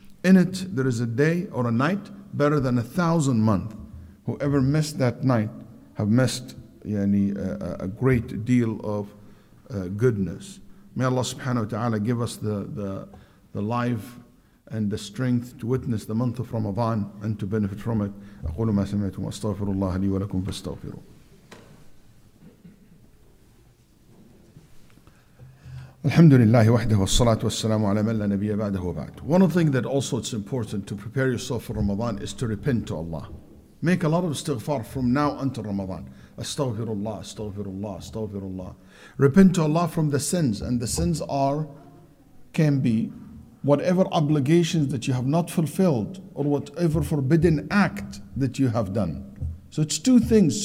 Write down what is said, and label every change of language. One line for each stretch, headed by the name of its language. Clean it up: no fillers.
English: In it, there is a day or a night better than 1,000 months. Whoever missed that night have missed a great deal of goodness. May Allah subhanahu wa ta'ala give us the life and the strength to witness the month of Ramadan and to benefit from it.
Arabic: أقول ما سمعتم أستغفر الله لي ولكم فاستغفروا. الحمد لله وحده والصلاة والسلام على من لا نبي بعده وبعد.
English: One of the things that also it's important to prepare yourself for Ramadan is to repent to Allah. Make a lot of istighfar from now until Ramadan. Astaghfirullah, astaghfirullah, astaghfirullah. Repent to Allah from the sins. And the sins can be whatever obligations that you have not fulfilled or whatever forbidden act that you have done. So it's two things.